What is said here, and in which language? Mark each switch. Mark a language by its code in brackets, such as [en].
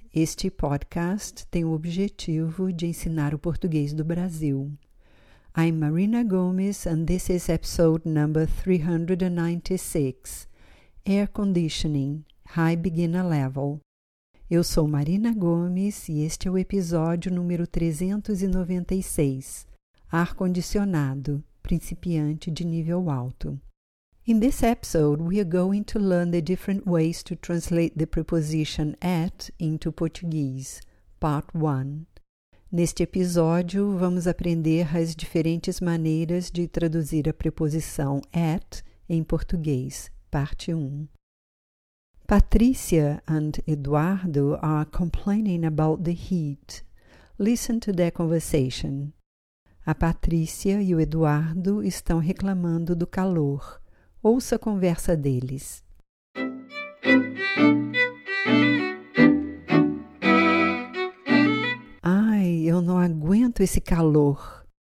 [pt] Este podcast tem o objetivo de ensinar o português do Brasil. [en] I'm Marina Gomes and this is episode number 396, Air Conditioning, High Beginner Level. [pt] Eu sou Marina Gomes e este é o episódio número 396, Ar-Condicionado, Principiante de Nível Alto. [en] In this episode, we are going to learn the different ways to translate the preposition at into Portuguese, Part 1. [pt] Neste episódio, vamos aprender as diferentes maneiras de traduzir a preposição at em português, Parte 1. [en] Patricia and Eduardo are complaining about the heat. Listen to their conversation. [pt] A Patrícia e o Eduardo estão reclamando do calor. Ouça a conversa deles. Ai, eu não aguento esse calor.